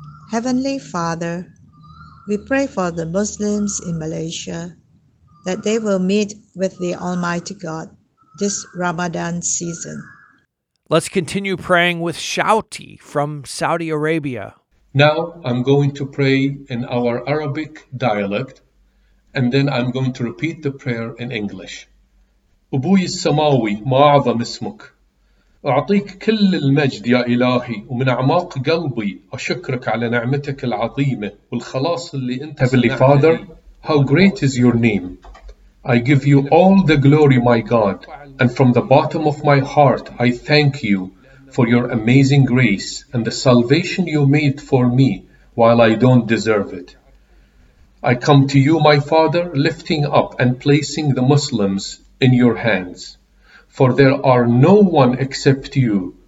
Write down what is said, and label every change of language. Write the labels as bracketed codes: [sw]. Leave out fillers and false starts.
[en] Heavenly Father, we pray for the Muslims in Malaysia that they will meet with the Almighty God this Ramadan season. Let's continue praying with Shouty from Saudi Arabia. Now I'm going to pray in our Arabic dialect, and then I'm going to repeat the prayer in English. [ar] أبوي السماوي ما أعظم اسمك أعطيك كل المجد يا إلهي ومن أعماق قلبي أشكرك على نعمتك العظيمة والخلاص اللي أنت [en] Heavenly Father, how great is your name. I give you all the glory, my God, and from the bottom of my heart, I thank you for your amazing grace and the salvation you made for me while I don't deserve it. I come to you, my Father, lifting up and placing the Muslims in your hands, for there are no one except you